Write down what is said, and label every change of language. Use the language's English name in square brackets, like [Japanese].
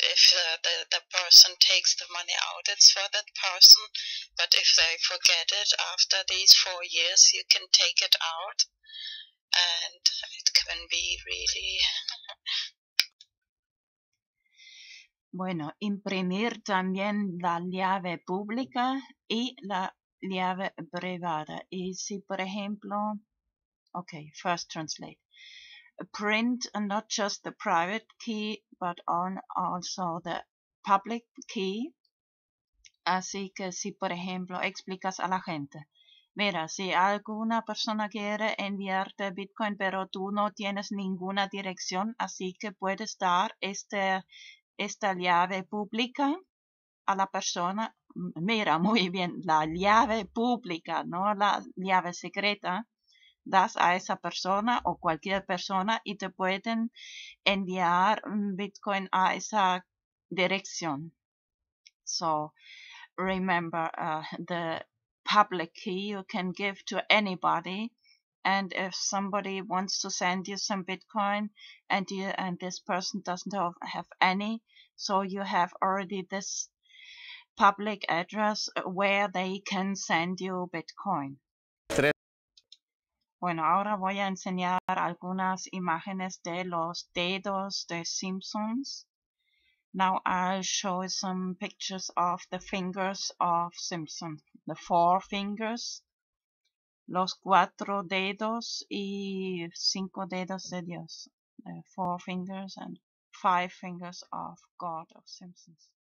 [English] If the person takes the money out, it's for that person. But if they forget it after these 4 years, you can take it out, and it can be really. [Spanish] Bueno, imprimir también la llave pública y la llave privada. Y si, por ejemplo, [English] okay, first translate. Print not just the private key, but on also the public key. [Spanish] Así que si, por ejemplo, explicas a la gente. Mira, si alguna persona quiere enviarte Bitcoin, pero tú no tienes ninguna dirección, así que puedes dar esta llave pública a la persona. Mira, muy bien, la llave pública, no la llave secreta. Das a esa persona o cualquier persona y te pueden enviar Bitcoin a esa dirección. [English] So, remember, the public key you can give to anybody. And if somebody wants to send you some Bitcoin and this person doesn't have any, so you have already this public address where they can send you Bitcoin. [Spanish] Bueno, ahora voy a enseñar algunas imágenes de los dedos de Simpsons. [English] Now I'll show some pictures of the fingers of Simpsons. The 4 fingers. [Spanish] Los 4 dedos y 5 dedos de Dios. [English] 4 fingers and 5 fingers of God of Simpsons.